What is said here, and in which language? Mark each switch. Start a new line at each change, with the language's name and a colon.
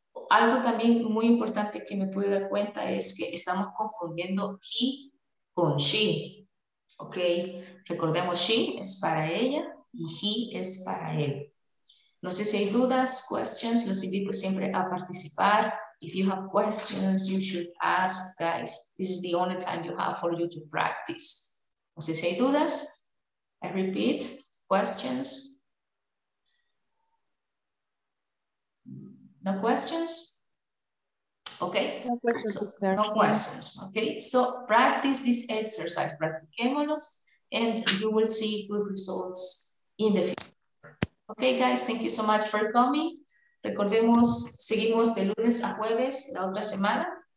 Spanish: Algo también muy importante que me pude dar cuenta es que estamos confundiendo he con she. Ok, recordemos she es para ella y he es para él. No sé si hay dudas, questions, los invito siempre a participar.
English: If you have questions, you should ask, guys. This is the only time you have for you to practice.
Spanish: No sé si hay dudas.
English: I repeat, questions. No questions? Okay. No questions. Okay. So practice this exercise.
Spanish: Practiquémonos
English: and you will see good results in the future. Okay, guys, thank you so much for coming.
Spanish: Recordemos, seguimos de lunes a jueves la otra semana.